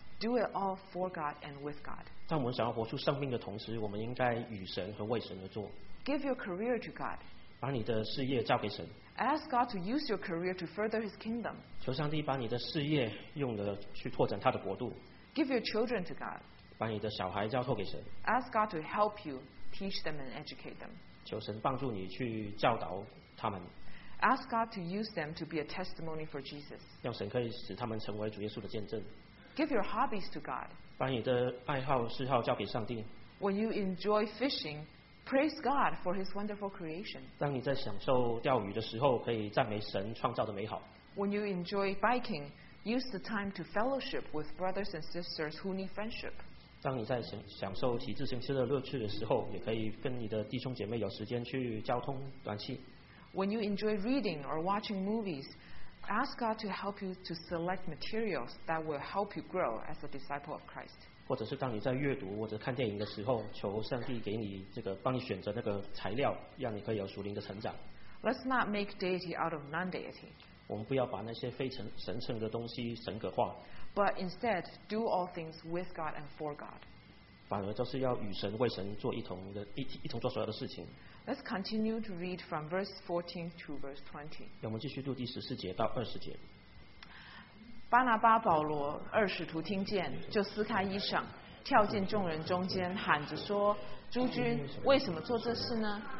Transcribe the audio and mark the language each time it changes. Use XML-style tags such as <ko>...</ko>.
<en>Do it all for God and with God.</en> <zh>当我们想要活出生命的同时，我们应该与神和为神而做。</zh> <en>Give your career to God.</en> <zh>把你的事业交给神。</zh> <en>Ask God to use your career to further His kingdom.</en> <zh>求上帝把你的事业用的去拓展他的国度。</zh> <en>Give your children to God.</en> <zh>把你的小孩交托给神。</zh> <en>Ask God to help you teach them and educate them.</en> <zh>求神帮助你去教导他们。</zh> <en>Ask God to use them to be a testimony for Jesus.</en> <zh>让神可以使他们成为主耶稣的见证。</zh> <en>Give your hobbies to God.</en> <zh>把你的爱好、嗜好交给上帝。</zh> <en>When you enjoy fishing, praise God for His wonderful creation.</en> <zh>当你在享受钓鱼的时候，可以赞美神创造的美好。</zh> <en>When you enjoy biking, use the time to fellowship with brothers and sisters who need friendship.</en> <zh>当你在享受骑自行车的乐趣的时候，也可以跟你的弟兄姐妹有时间去交通短信。</zh> <en>When you enjoy reading or watching movies,Ask God to help you to select materials that will help you grow as a disciple of Christ.</en> <zh>或者是当你在阅读或者看电影的时候，求上帝给你这个帮你选择那个材料，让你可以有属灵的成长。</zh> <en>Let's not make deity out of non-deity.</en> <zh>我们不要把那些非神圣的东西神格化。</zh> <en>But instead, do all things with God and for God.</en> <zh>把反而就是要与神为神做一同的 一同做所有的事情。</zh> <en>Let's continue to read from verse 14 to verse 20.</en> <zh>我们继续读第十四节到二十节。巴拿巴、保罗二使徒听见，就撕开衣裳，跳进众人中间，喊着说：诸君，为什么做这事呢？</zh>